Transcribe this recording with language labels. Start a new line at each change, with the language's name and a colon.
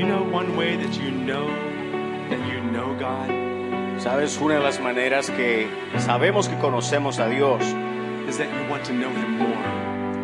English: one way that you know that you know God?
Spanish: ¿Sabes una de las maneras que sabemos que conocemos a Dios?
English: Is that you want to know him more.